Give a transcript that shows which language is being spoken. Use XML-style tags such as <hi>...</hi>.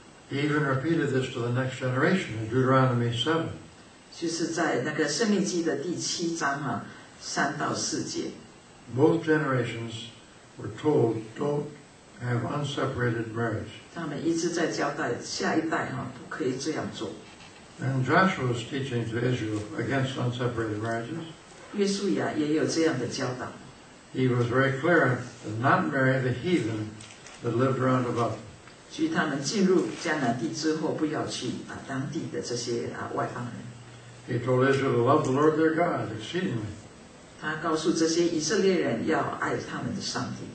<en>He even repeated this to the next generation in Deuteronomy 7.</en> <zh>就是在那个生命记的第七章三到四节。</zh> <en>Both generations were told don't have unseparated marriage.</en> <zh>他们一直在交代下一代不可以这样做。</zh> <en>And Joshua's teaching to Israel against unseparated marriages.</en> <zh>约书亚也有这样的教导。</zh> <en>He was very clear to not marry the heathen that lived around about.</en> <zh>据他们进入迦南地之后，不要去当地的这些外邦人。</zh> <en>He told Israel to love the Lord their God exceedingly.</en> <zh>他告诉这些以色列人要爱他们的上帝，</zh>